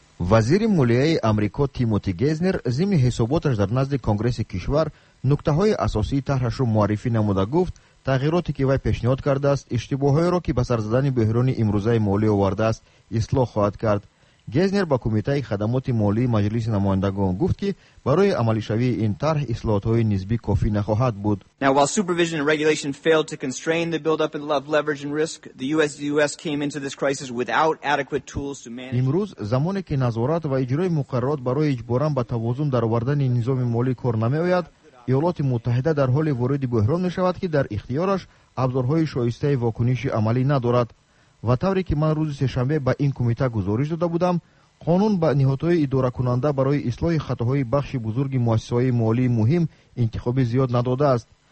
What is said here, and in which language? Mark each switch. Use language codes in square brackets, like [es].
[fa] وزیر مالیه امریکا تیموتی گیزنر ضمن حساباتش در نزد کنگره کشور نکته های اساسی طرحش را معرفی نموده گفت تغییراتی که وی پیشنهاد کرده است اشتباه های را که به سر زدن بحران امروزه مالی آورده است اصلاح خواهد کرد. گیزنر با کمیته خدمات مالی مجلس نمایندگان گفت که برای عملی شوی این طرح اصلاحات های نسبی کافی نخواهد بود. [en] Now, while supervision and regulation failed to constrain the buildup of leverage and risk, the US came into this crisis without adequate tools to manage. [fa] امروز زمانی که نظارت و اجرای مقررات برای اجباران به توازن در آوردن نظام مالی کار نمی‌آید، ایالات متحده در حال ورود بحران می‌شود که در اختیارش ابزارهای شایسته واکنش عملی ندارد. و طوری که من روز سه‌شنبه به این کمیته گزارش داده بودم، قانون به نهادهای اداره کننده برای اصلاح خطاهای بخش بزرگ مؤسسه‌های مالی مهم انتخاب زیاد نداده است.